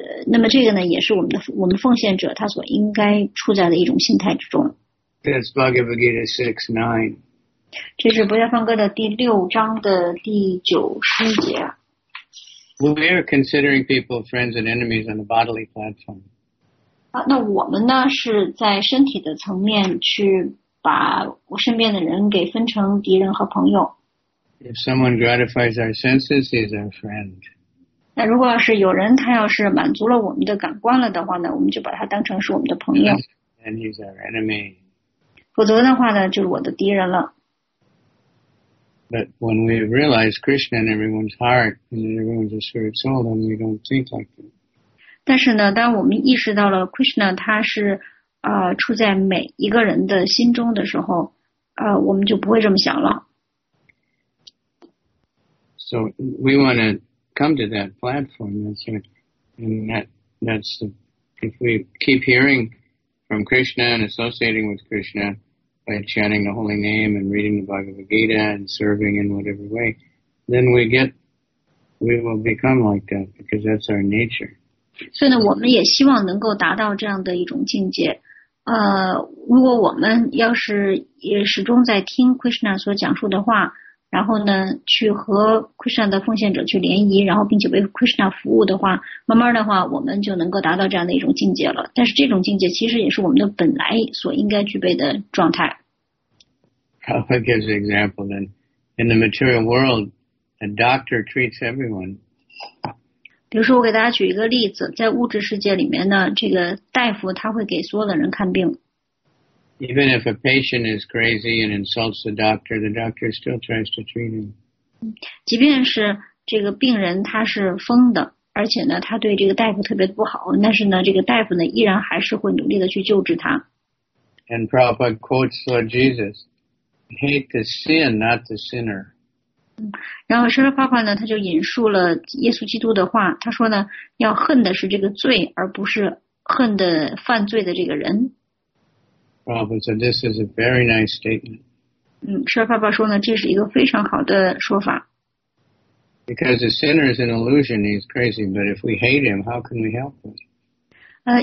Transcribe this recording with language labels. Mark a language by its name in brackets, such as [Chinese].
[Chinese] 那么这个呢也是我们奉献者他所应该处在的一种心态之中。 [English] That's Bhagavad Gita 6:9. [Chinese] 这是《薄伽梵歌》的第六章的第九十节。 [English] We are considering people friends and enemies on a bodily platform. [Chinese] 那我们呢是在身体的层面去把我身边的人给分成敌人和朋友。 [English] If someone gratifies our senses, he's our friend. [Chinese] 那如果要是有人他要是满足了我们的感官了的话呢，我们就把他当成是我们的朋友。 [English] And he's our enemy. [Chinese] 否则的话呢，就是我的敌人了。 [English] But when we realize Krishna in everyone's heart and everyone's a spirit soul, then we don't think like that. [Chinese] 但是呢，当我们意识到了 Krishna 他是处在每一个人的心中的时候，我们就不会这么想了。 [English] So we want to. Come to that platform. That's right. And that's the, if we keep hearing from Krishna and associating with Krishna by chanting the holy name and reading the Bhagavad Gita and serving in whatever way, then we will become like that because that's our nature. [Chinese] So, 呢，我们也希望能够达到这样的一种境界。如果我们要是也始终在听 Krishna 所讲述的话。然后呢，去和 Krishna 的奉献者去联谊，然后并且为 Krishna 服务的话，慢慢的话，我们就能够达到这样的一种境界了。但是这种境界其实也是我们的本来所应该具备的状态。 [English] Prabhupada gives an example then. In the material world, A doctor treats everyone. [Chinese] 比如说，我给大家举一个例子，在物质世界里面呢，这个大夫他会给所有的人看病。 [English] Even if a patient is crazy and insults the doctor still tries to treat him. [Chinese] 即便是这个病人他是疯的，而且呢，他对这个大夫特别不好，但是呢，这个大夫呢，依然还是会努力的去救治他。 [English] And Prabhupada quotes Lord Jesus, hate the sin, not the sinner. [Chinese] 然后圣者帕帕呢，他就引述了耶稣基督的话，他说呢，要恨的是这个罪，而不是恨的犯罪的这个人。 [English] Prabhupada said, this is a very nice statement. [Chinese] 圣者帕帕说呢，这是一个非常好的说法。 [English] Because the sinner is an illusion, he's crazy, but if we hate him, how can we help him?